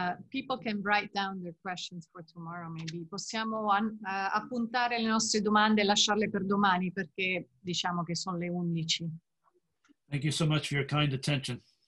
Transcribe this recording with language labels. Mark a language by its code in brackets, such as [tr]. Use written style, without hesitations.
[en] people can write down their questions for tomorrow, maybe. [it] Possiamo appuntare le nostre domande e lasciarle per domani, perché diciamo che sono le 11. [en] Thank you so much for your kind attention.